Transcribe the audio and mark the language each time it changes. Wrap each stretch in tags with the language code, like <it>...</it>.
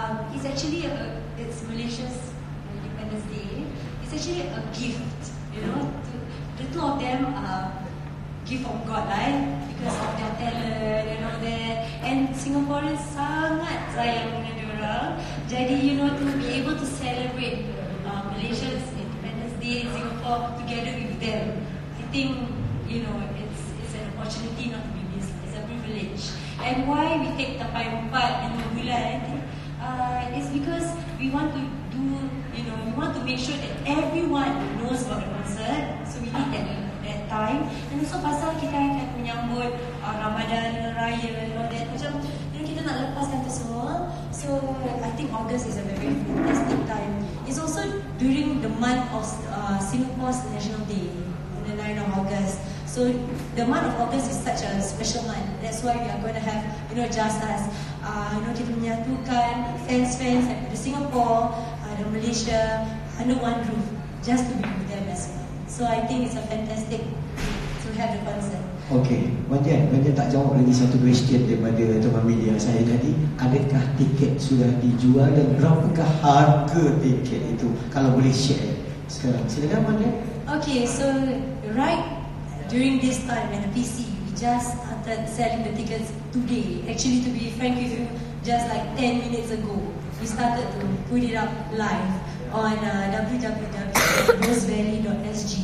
<en>It's actually, it's Malaysia's Independence Day. It's actually a gift, you know. The two of them are gift from God, right? Because of their talent and all that.</en> <ms>And Singaporeans sangat sayang dengan diorang.</ms> <en>Jadi, you know, to be able to celebrate Malaysia's Independence Day in Singapore together with them, I think, you know, it's an opportunity not to be missed. It's a privilege. And why we take Tapai Empat in the bulan, I think, is because we want to do, you know, we want to make sure that everyone knows about the concert. That time. And also</en> <ms>pasal kita akan menyambut</ms> <en>Ramadan, Raya and all that. Macam, you know,</en> <ms>kita nak lepaskan tu semua.</ms> <en>So I think August is a very fantastic time. It's also during the month of Singapore's National Day, on the 9th of August. So the month of August is such a special month. That's why we are going to have, you know, just us, you know,</en> <ms>kita menyatukan fans-fans</ms> <en>like the Singapore, the Malaysia under one roof, just to be with them as well. So I think it's a fantastic to have the concert.</en> <ms>Okay, Wan Jian, Wan Jian tak jawab lagi satu question daripada Tuan Mamili yang saya tadi. Adakah tiket sudah dijual dan berapakah harga tiket itu? Kalau boleh share sekarang, silakan Wan Jian.</ms> <en>Okay, so right during this time in the PC, we just started selling the tickets today. Actually, to be frank with you, just like 10 minutes ago, we started to put it up live on www.rosevalley.sg.</en>